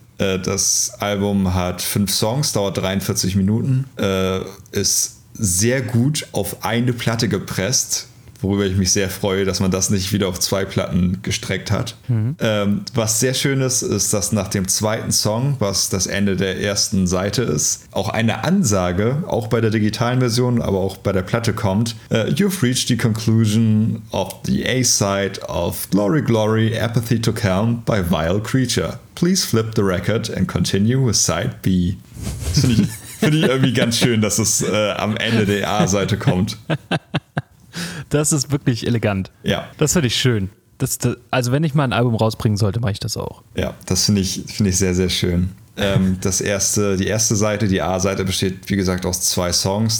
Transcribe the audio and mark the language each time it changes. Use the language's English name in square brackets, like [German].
[German] Das Album hat 5 Songs, dauert 43 Minuten, ist sehr gut auf eine Platte gepresst, worüber ich mich sehr freue, dass man das nicht wieder auf 2 Platten gestreckt hat. Mhm. Was sehr schön ist, ist, dass nach dem 2. Song, was das Ende der ersten Seite ist, auch eine Ansage, auch bei der digitalen Version, aber auch bei der Platte kommt. [English] You've reached the conclusion of the A-side of Glory Glory, Apathy to Calm by Vile Creature. Please flip the record and continue with side B. [German] Finde ich irgendwie ganz schön, dass es am Ende der A-Seite kommt. Das ist wirklich elegant. Ja. Das finde ich schön. Also wenn ich mal ein Album rausbringen sollte, mache ich das auch. Ja, das finde ich sehr, sehr schön. Die A-Seite besteht, wie gesagt, aus 2 Songs.